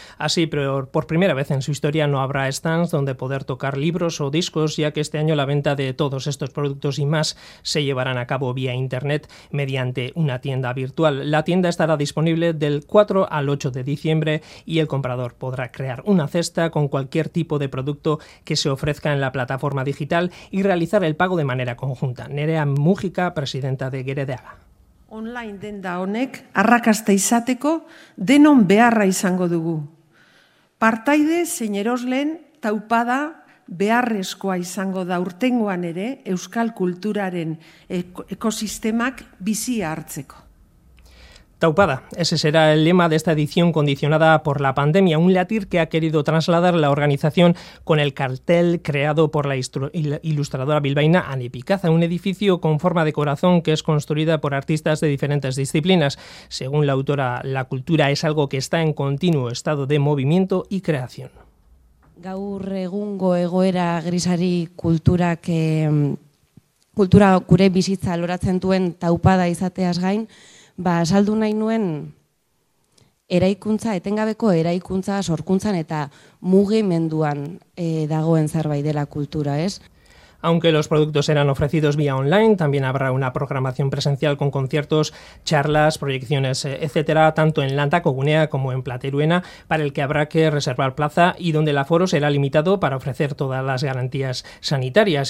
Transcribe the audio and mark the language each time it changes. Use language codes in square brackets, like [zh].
[es] Así, por primera vez en su historia no habrá stands donde poder tocar libros o discos, ya que este año la venta de todos estos productos y más se llevarán a cabo vía internet mediante una tienda virtual. La tienda estará disponible del 4 al 8 de diciembre y el comprador podrá crear una cesta con cualquier tipo de producto que se ofrezca en la plataforma digital y realizar el pago de manera conjunta. Nerea Mujica, presidenta de Geredeaga. [eu] Online denda honek arrakasta izateko denon beharra izango dugu. Partaide zein erosleen taupada beharrezkoa izango da urtengoan ere euskal kulturaren ekosistemak bizia hartzeko. Taupada. [es] Ese será el lema de esta edición condicionada por la pandemia, un latir que ha querido trasladar la organización con el cartel creado por la ilustradora bilbaína Ane Picaza, un edificio con forma de corazón que es construida por artistas de diferentes disciplinas. Según la autora, la cultura es algo que está en continuo estado de movimiento y creación. [eu] Gaur egungo egoera grisari kultura gure bizitza loratzen duen taupada izateaz gain, ba, saldu nahi nuen eraikuntza, etengabeko eraikuntza, sorkuntzan eta mugimenduan dagoen zerbait dela kultura, ez? [es] Aunque los productos serán ofrecidos vía online, también habrá una programación presencial con conciertos, charlas, proyecciones, etcétera, tanto en Lantaco Gunea como en Plateruena, para el que habrá que reservar plaza y donde el aforo será limitado para ofrecer todas las garantías sanitarias.